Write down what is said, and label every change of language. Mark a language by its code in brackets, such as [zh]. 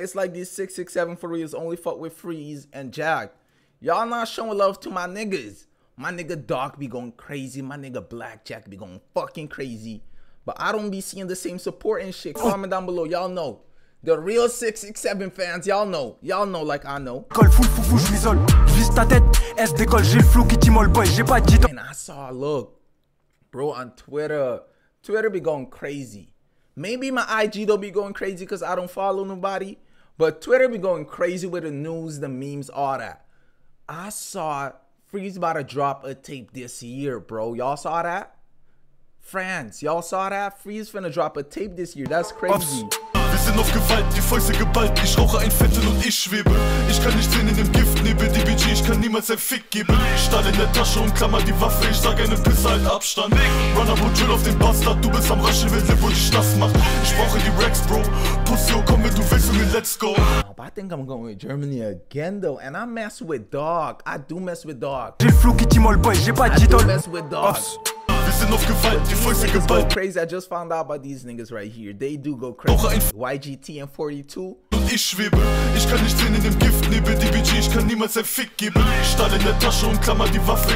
[en] It's like these 667 for reals only fuck with Freeze and Jack. Y'all not showing love to my niggas. My nigga Doc be going crazy. My nigga Blackjack be going fucking crazy. But I don't be seeing the same support and shit. Comment down below. Y'all know. The real 667 fans, y'all know like I know. [fr] Call fou, je m'isole. Vise ta tête, S décolle, j'ai le flou qui t'immole, boy, j'ai pas dit. [en] And I saw a look. Bro, on Twitter be going crazy. Maybe my IG don't be going crazy because I don't follow nobody. But Twitter be going crazy with the news, the memes, all that. I saw Freeze about to drop a tape this year, bro. Y'all saw that? France, y'all saw that? Freeze finna drop a tape this year. That's crazy. [de] Wir sind auf Gewalt, die Fäuste geballt. Ich rauche ein Fettel und ich schwebe. Ich kann nicht drehen in dem Giftnebel. DBG, ich kann niemals ein Fick geben. Stahl in der Tasche und klammer die Waffe. Ich sag einem Pisser halt Abstand. Run up und chill auf den Bastard. Du bist am Raschen, wenn der Bull dich nass macht. Ich brauche die Rex, Bro. Pussy, oh, komm, wenn du willst, Junge, [en] let's go. I think I'm going with Germany again, though. And I mess with Dog. I do mess with Dog. [fr] J'ai le flou qui t'immole, boy. J'ai pas dit Dog. [en] I do mess with Dog. Go crazy. I just found out about these niggas right here. They do go crazy. YGT and 42. [de] Ich schwebe, ich kann nicht drehen in dem Giftnebel. DBG, ich kann niemals ein Fick geben. Stahl in der Tasche und klammer die Waffe.